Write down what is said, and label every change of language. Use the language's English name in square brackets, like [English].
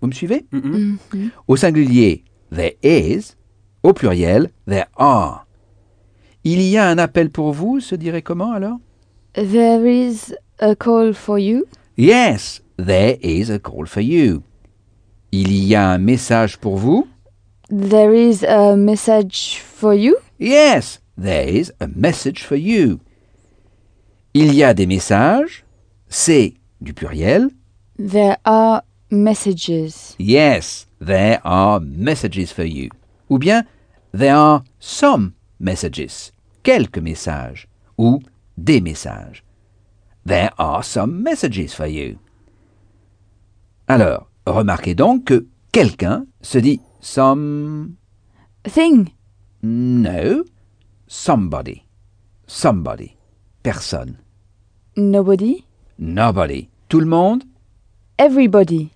[French] Vous me suivez ? Au singulier « [English] there is [French] », au pluriel « [English] there are ». [French] « Il y a un appel pour vous » se dirait comment alors ? [English] « There is a call for you ». « Yes, there is a call for you ». [French] Il y a un message pour vous. [English] There is a message for you. Yes, there is a message for you. [French] Il y a des messages. C'est du pluriel. [English] There are messages. Yes, there are messages for you. [French] Ou bien, [English] there are some messages. [French] Quelques messages. Ou des messages. [English] There are some messages for you. [French] Alors, remarquez donc que quelqu'un se dit some... [English] Thing. No. Somebody. Somebody. [French] Personne. [English] Nobody. Nobody. [French] Tout le monde. [English] Everybody.